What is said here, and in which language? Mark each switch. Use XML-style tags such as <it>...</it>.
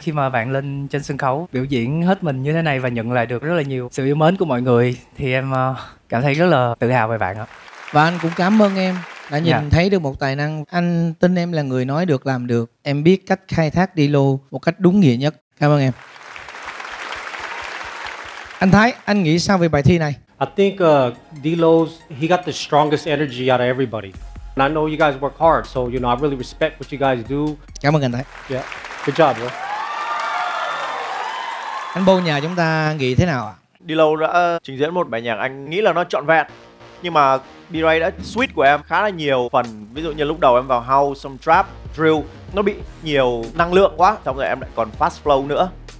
<vi>Khi mà bạn lên trên sân khấu biểu diễn hết mình như thế này và nhận lại được rất là nhiều sự yêu mến của mọi người thì em cảm thấy rất là tự hào về bạn ạ. Và anh cũng cảm ơn em đã nhìn thấy được một tài năng. Anh tin em là người nói được làm được. Em biết cách khai thác D-Lo một cách đúng nghĩa nhất. Cảm ơn em. Anh Thái, anh nghĩ sao về bài thi này?</vi> <en>I think D-Lo, he got the strongest energy out of everybody. And I know you guys work hard, so you know I really respect what you guys do.</en> <vi>Cảm ơn anh Thái.</vi> <en>Yeah. Good job, bro.</en> <vi>Anh Bô nhà chúng ta nghĩ thế nào ạ? D-Lo đã trình diễn một bài nhạc anh nghĩ là nó trọn vẹn. Nhưng mà B-Ray đã switch của em khá là nhiều phần. Ví dụ như lúc đầu em vào house, some trap, drill. Nó bị nhiều năng lượng quá, xong rồi em lại còn fast flow nữa.</vi>